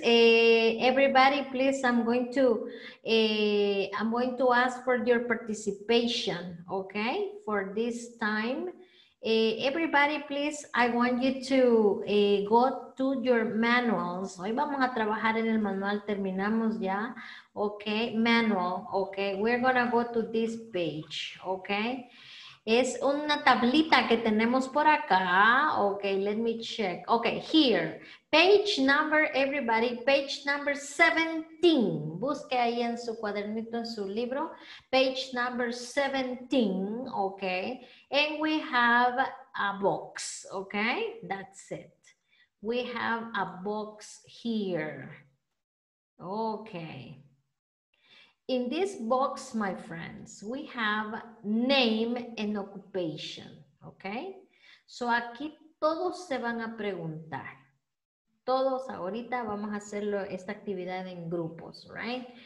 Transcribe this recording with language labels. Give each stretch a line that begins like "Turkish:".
English: Everybody, please, I'm going to ask for your participation, okay, for this time. Everybody, please, I want you to go to your manuals.
Spanish: Hoy vamos a trabajar en el manual, terminamos ya.
English: Okay, manual, okay. We're gonna go to this page, okay?
Spanish: Es una tablita que tenemos por acá.
English: Okay, let me check. Okay, here. Page number, everybody, page number 17.
Spanish: Busque ahí en su cuadernito, en su libro.
English: Page number 17, okay. And we have a box, okay? That's it. We have a box here. Okay. In this box, my friends, we have name and occupation, okay?
Spanish: So aquí todos se van a preguntar. Todos ahorita vamos a hacerlo esta actividad en grupos, right?